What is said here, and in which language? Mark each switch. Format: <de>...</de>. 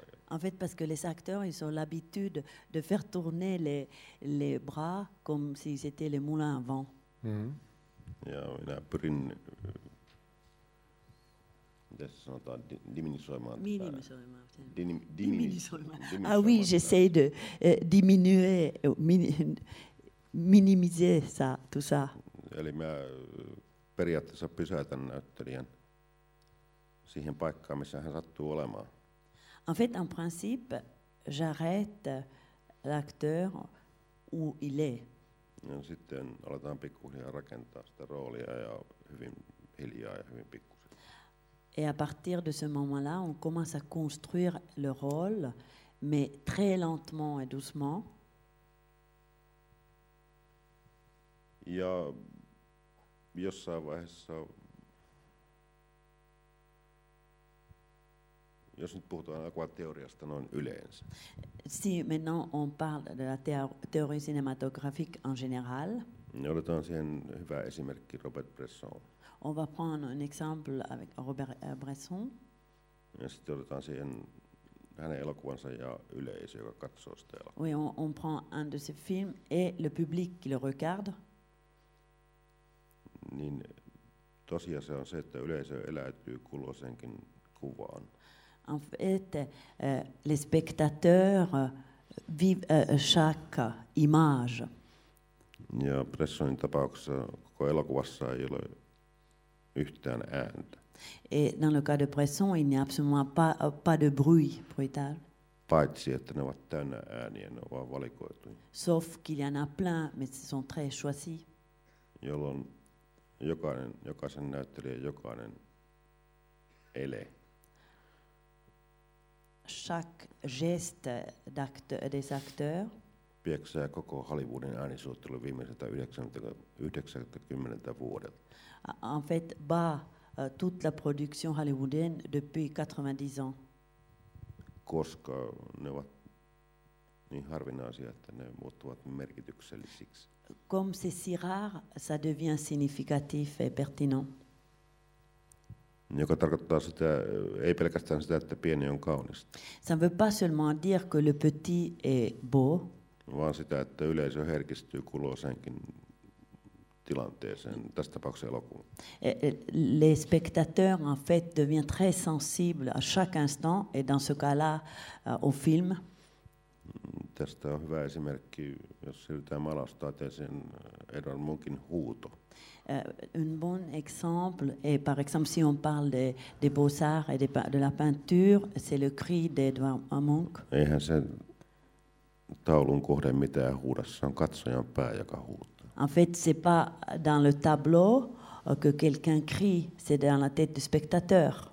<fr>En fait, parce que les acteurs, ils ont l'habitude de faire tourner les bras comme s'ils étaient les moulins à vent.</fr> <fi>Ja minä pyrin tässä sanotaan diminisoimaan. Diminisoimaan.</fi> <fr>Ah oui, j'essaie de diminuer, minimiser ça, tout ça.</fr> <fi>Eli mä periaatteessa pysäytän näyttelijän siihen paikkaan, missä hän sattuu olemaan.</fi> <fr>En fait, en principe, j'arrête l'acteur où il est.</fr> <fi>Ja sitten aletaan pikkuhiljaa rakentaa sitä roolia ja hyvin hiljaa ja hyvin pikkusen.</fi> <fr>Et à partir de ce moment-là, on commence à construire le rôle, mais très lentement et doucement.</fr> <fi>Ja jossain vaiheessa, jos nyt puhutaan akuateoriasta noin yleensä.</fi> <fr>Si maintenant on parle de la théorie cinématographique en général.</fr> <fi>Otetaan siihen hyvä esimerkki Robert Bresson.</fi> <fr>On va prendre un exemple avec Robert Bresson.</fr> <fi>Ja sitten otetaan siihen hänen elokuvansa ja yleisö, joka katsoo sitä elokuvaa.</fi> <fr>Oui, on prend un de ses films et le public qui le regarde.</fr> <fi>Niin tosiaan se on se, että yleisö eläytyy kulloisenkin kuvaan.</fi> <fr>En fait, les spectateurs vivent chaque image.</fr> <fi>Ja Bressonin tapauksessa koko elokuvassa ei ole yhtään ääntä.</fi> <fr>Et dans le cas de Bresson, il n'y a absolument pas de bruitage.</fr> <fi>Paitsi, että ne ovat täynnä ääniä, ne ovat valikoituja.</fi> <fr>Sauf qu'il y en a plein, mais ce sont très choisis.</fr> <fi>Jolloin jokaisen näyttelijän jokainen ele.</fi> <fr>Chaque geste des acteurs</fr> <fi>pieksää koko Hollywoodin äänisuunnittelu viimeiseltä 90 vuodelta.</fi> <fr>En fait, bat toute la production hollywoodienne depuis 90 ans.</fr> <fi>Koska ne ovat niin harvinaisia, että ne muuttuvat merkityksellisiksi.</fi> <fr>Comme c'est si rare, ça devient significatif et pertinent.</fr> <fi>Joka tarkoittaa sitä, ei pelkästään sitä, että pieni on kaunista.</fi> <fr>Ça ne veut pas seulement dire que le petit est beau.</fr> <fi>Vaan sitä, että yleisö herkistyy kulloisenkin tilanteeseen, tässä tapauksessa elokuun.</fi> <fr>Les spectateurs en fait deviennent très sensibles à chaque instant et dans ce cas-là au film.</fr> <fi>Tästä on hyvä esimerkki, jos siirrytään maalaustaiteeseen, Edvard Munchin huuto.</fi> <fr>Un bon exemple est par exemple si on parle des beaux-arts et de la peinture, c'est le cri d'Edvard Munch.</fr> <fi>Eihän se taulun kohde mitään huuda, se on katsojan pää, joka huutaa.</fi> <fr>En fait, c'est pas dans le tableau que quelqu'un crie, c'est dans la tête du spectateur.</fr>